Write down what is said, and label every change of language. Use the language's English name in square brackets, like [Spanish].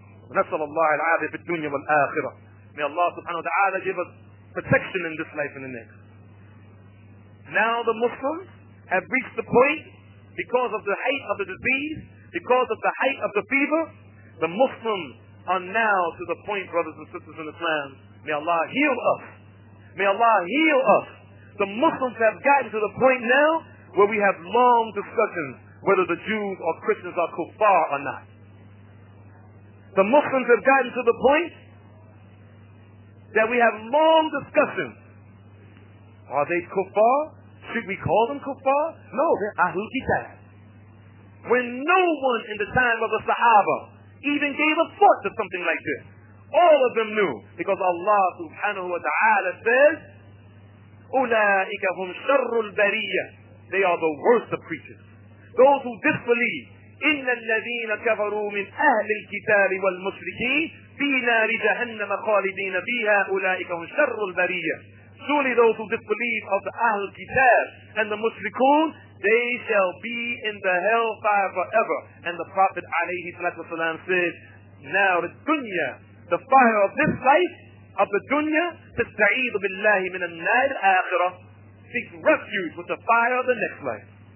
[Arabic] نسأل الله العافية في الدنيا والآخرة. [English] May Allah subhanahu wa ta'ala give us protection in this life and the next. Now the Muslims have reached the point, because of the height of the disease, because of the height of the fever, the Muslims are now to the point, brothers and sisters in Islam, may Allah heal us. May Allah heal us. The Muslims have gotten to the point now where we have long discussions whether the Jews or Christians are kuffar or not. The Muslims have gotten to the point that we have long discussions. Are they kuffar? Should we call them kuffar? No, they're Ahlul Kitab. When no one in the time of the Sahaba even gave a thought to something like this. All of them knew. Because Allah subhanahu wa ta'ala says, [Arabic] أُولَٰئِكَ هُمْ شَرُّ الْبَرِيَّةِ. [English] They are the worst of preachers. Those who disbelieve, [Arabic] إِنَّ الَّذِينَ كَفَرُوا مِنْ أَهْلِ الْكِتَابِ وَالْمُشْرِكِينَ في نار جهنم خالدين فيها أولئك هم شر البرية. [English] Surely those who disbelieve of the Ahl Kitab and the Mushrikun, they shall be in the hellfire forever. And the Prophet alayhi salatu wasalam said, now the dunya, the fire of this life, of the dunya, [Arabic] تستعيذ بالله من النار آخرة, [English] seek refuge with the fire of the next life.